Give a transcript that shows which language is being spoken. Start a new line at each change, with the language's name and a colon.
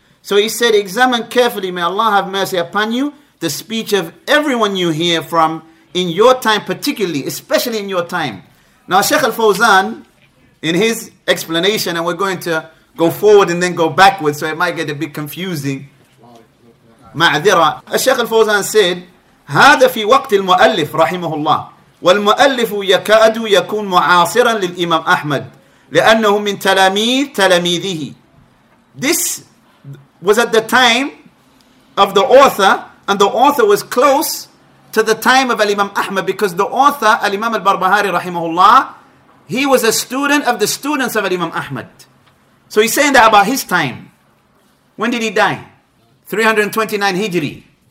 English: So he said, examine carefully, may Allah have mercy upon you, the speech of everyone you hear from in your time particularly, especially in your time. Now Sheikh Al-Fawzan, in his explanation, and we're going to go forward and then go backwards, so it might get a bit confusing. Ma'adira.
Arabic: Sheikh Al-Fawzan said, هذا في وقت المؤلف رحمه الله والمؤلف يكاد يكون معاصرا للإمام أحمد لأنه من تلاميذ تلاميذه.
English: This was at the time of the author, and the author was close to the time of Al-Imam Ahmad, because the author, Al-Imam Al-Barbahari رحمه الله, he was a student of the students of Al-Imam Ahmad. So he's saying that about his time. When did he die? 329 Hijri.